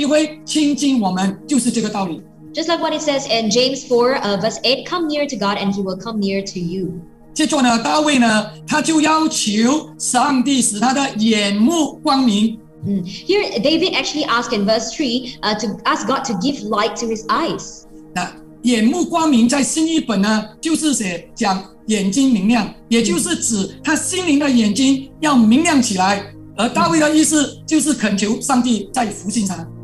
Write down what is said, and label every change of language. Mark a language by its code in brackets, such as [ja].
[zh] 同样的，在雅各书第四章八节也告诉我们，当我们愿意来亲近神的时候，神就必会亲近我们，就是这个道理。 [en] Just like what it says in James 4, verse 8, come near to God and he will come near to you. [zh] 接着呢，大卫呢，他就要求上帝使他的眼目光明。 [en] Here, David actually asked in verse 3 to ask God to give light to his eyes. [zh] 眼目光明在新译本呢，就是写讲眼睛明亮，也就是指他心灵的眼睛要明亮起来。而大卫的意思就是恳求上帝在福星上。